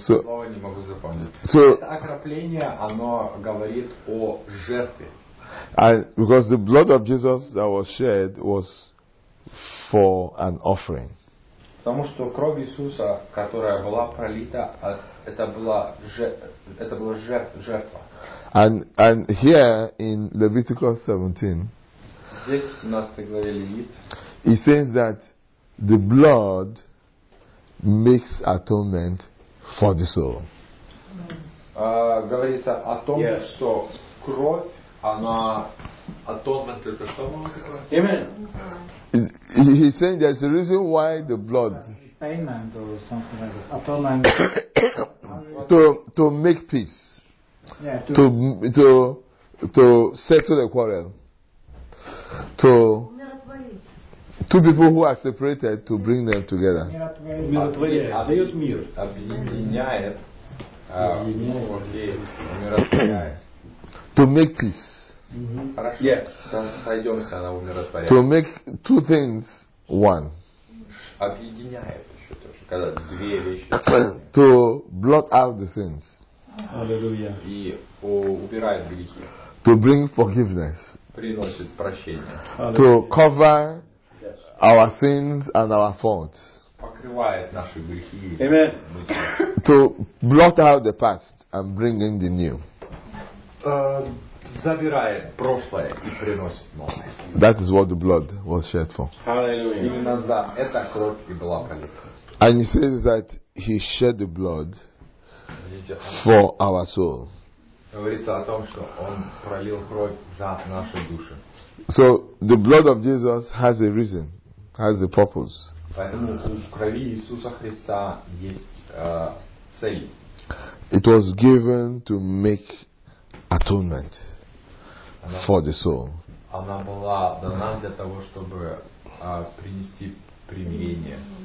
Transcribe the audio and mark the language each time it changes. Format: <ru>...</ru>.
<ru>Слово не могу запомнить.</ru> <en>So,</en> <ru>это окропление, оно говорит о жертве.</ru> <en>And because the blood of Jesus that was shed was for an offering.</en> <ru>Потому что кровь Иисуса, которая была пролита, это была жертва.</ru> <en>And here in Leviticus 17,</en> <ru>здесь в 17 главе Левит,</ru> <en>it says that the blood makes atonement for the soul.</en> <ru>Говорится о том, yes, что кровь, она atonement, это что такое? Amen.</ru> <en>He's saying there's a reason why the blood payment or something like that, atonement to make peace. Yeah, to settle a quarrel. To two people who are separated to bring them together. To make peace. Mm-hmm. Yeah.</en> <ru>Сойдемся на умиротворение.</ru> <en>To make two things one.</en> <ru>Объединяет еще тоже, когда две вещи.</ru> <en>To blot out the sins. Hallelujah.</en> <ru>И убирает грехи.</ru> <en>To bring forgiveness.</en> <ru>Приносит прощение. Hallelujah.</ru> <en>To cover, yes, our sins and our faults.</en> <ru>Покрывает наши грехи.</ru> <en>Amen. To blot out the past and bring in the new.</en> <ru>Забирает прошлое и приносит новое.</ru> <en>That is what the blood was shed for. Hallelujah.</en> <ru>Именно за это кровь и была пролита.</ru> <en>And he says that he shed the blood for our soul.</en> <ru>Говорится о том, что он пролил кровь за нашу душу.</ru> <en>So the blood of Jesus has a reason, has a purpose.</en> <ru>Поэтому в крови Иисуса Христа есть цель.</ru> <en>It was given to make atonement for the soul.</en> <ru>Она была дана для того, чтобы принести примирение.</ru>